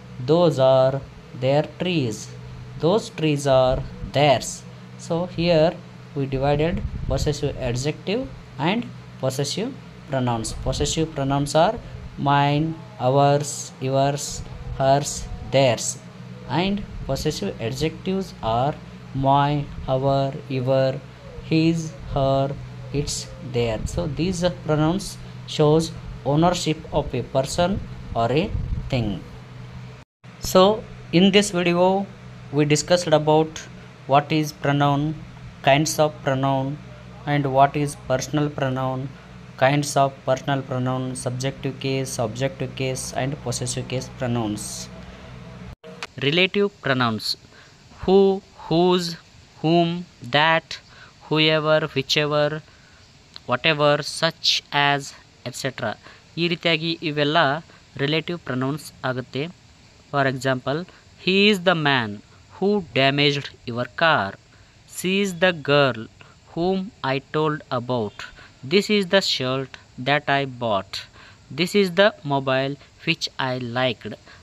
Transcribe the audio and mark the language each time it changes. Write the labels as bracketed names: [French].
[English] Those are their trees. Those trees are theirs. So here we divided possessive adjective and possessive pronouns. Possessive pronouns are mine, ours, yours, hers, theirs. And possessive adjectives are my, our, your, his, her, its, their. So these pronouns shows ownership of a person or a thing. So in this video we discussed about what is pronoun, kinds of pronoun, and what is personal pronoun, kinds of personal pronoun, subjective case, objective case, and possessive case pronouns. Relative pronouns: who, whose, whom, that, whoever, whichever, whatever, such as, etc. [Kannada] ಈ ರೀತಿಯಾಗಿ ಇವೆಲ್ಲ relative pronouns ಆಗುತ್ತೆ. [English] For example, he is the man who damaged your car. She is the girl whom I told about. This is the shirt that I bought. This is the mobile which I liked.